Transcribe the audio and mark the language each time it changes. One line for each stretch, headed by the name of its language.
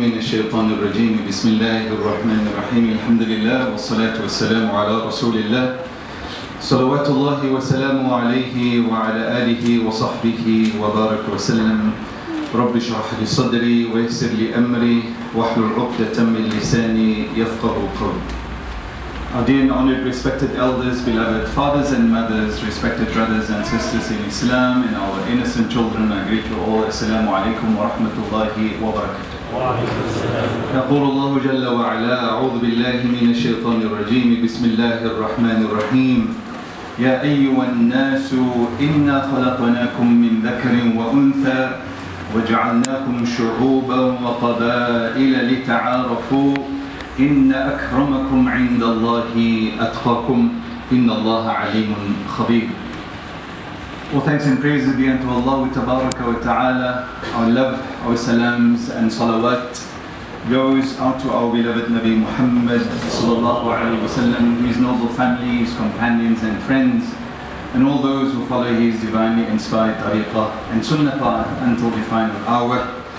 Arabic: الشيطان الرجيم بسم الله الرحمن الرحيم الحمد لله والصلاة والسلام على رسول الله صلوات الله وسلامه عليه وعلى آله وصحبه وبارك وسلم رب اشرح لي صدري ويسر لي أمري واحلل عقدة من لساني يفقه قولي.
English: Our dear and honored respected elders, beloved fathers and mothers, respected brothers and sisters in Islam, and our innocent children, I greet you all.
Arabic: Assalamu alaikum wa rahmatullahi wa barakatuh. يقول الله جل وعلا أعوذ بالله من الشيطان الرجيم بسم الله الرحمن الرحيم يا أيها الناس إنا خلقناكم من ذكر وأنثى وجعلناكم شعوبا وقبائل لتعارفوا إن أكرمكم عند الله أتقاكم إن الله عليم خبير.
English: All thanks and praises be unto Allah
Arabic: تبارك وتعالى.
English: Our love, our salams and salawat goes out to our beloved Nabi Muhammad
Arabic: صلى الله عليه وسلم,
English: his noble family, his companions and friends, and all those who follow his divinely inspired tariqah and sunnah path until the final hour.